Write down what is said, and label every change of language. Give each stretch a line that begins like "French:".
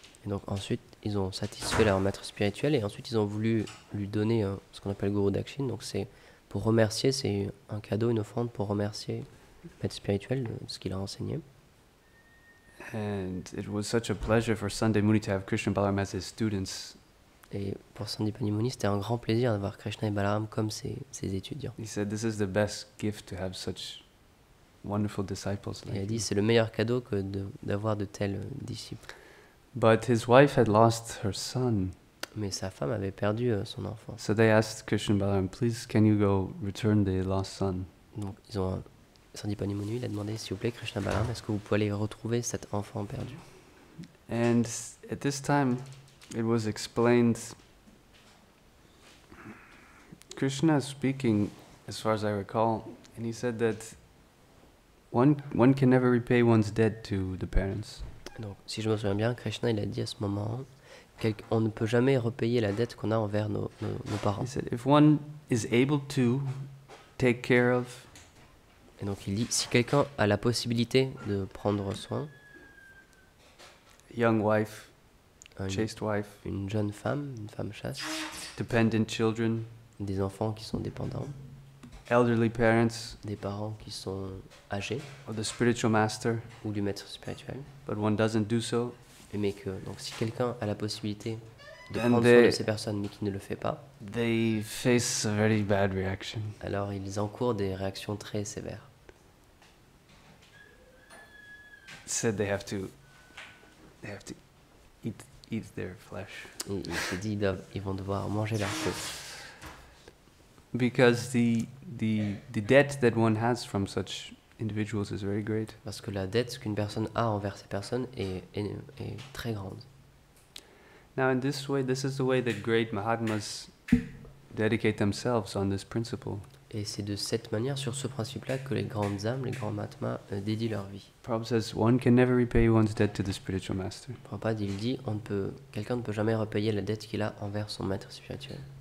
French: Et donc ensuite, ils ont satisfait leur maître spirituel et ensuite ils ont voulu lui donner ce qu'on appelle guru dakshin. Donc c'est pour remercier, c'est un cadeau, une offrande pour remercier le maître spirituel de ce qu'il a enseigné.
English: And it was such a pleasure for Sandipani to have Krishna Balaram as his students.
French: Et pour Sandipani Muni, c'était un grand plaisir d'avoir Krishna et Balaram comme ses étudiants.
English: He said this is the best gift to have such wonderful disciples.
French: Il a dit c'est le meilleur cadeau que d'avoir de tels disciples.
English: But his wife had lost her son.
French: Mais sa femme avait perdu son enfant.
English: So they asked Krishna Balaram, please, can you go return the lost son?
French: Donc ils ont Sandipani Muni, il a demandé s'il vous plaît Krishna Balaram, est-ce que vous pouvez aller retrouver cet enfant perdu?
English: And at this time, it was explained. Krishna speaking, as far as I recall, and he said that one can never repay one's debt to the parents.
French: Donc si je me souviens bien, Krishna il a dit à ce moment. On ne peut jamais repayer la dette qu'on a envers nos parents.
English: He said, if one is able to take care of,
French: et donc il dit, si quelqu'un a la possibilité de prendre soin,
English: young wife, chaste wife,
French: une jeune femme, une femme chaste,
English: dependent children,
French: des enfants qui sont dépendants,
English: elderly parents,
French: des parents qui sont âgés,
English: or the spiritual master,
French: ou du maître spirituel,
English: but one doesn't do so.
French: Mais que donc si quelqu'un a la possibilité de prendre soin de ces personnes mais qui ne le fait pas,
English: they face a very bad reaction.
French: Alors ils encourent des réactions très sévères.
English: Said they have to eat their flesh.
French: Il s'est dit ils vont devoir manger leur peau.
English: Because the debt that one has from such individuals is very great.
French: Parce que la dette qu'une personne a envers ces personnes est très grande.
English: Now in this way, this is the way that great Mahatmas dedicate themselves on this principle.
French: Et c'est de cette manière, sur ce principe-là, que les grandes âmes, les grands Mahatmas, dédient leur vie.
English: Prabhupada says one can never repay one's debt to the spiritual master.
French: Prabhupada, il dit, quelqu'un ne peut jamais repayer la dette qu'il a envers son maître spirituel.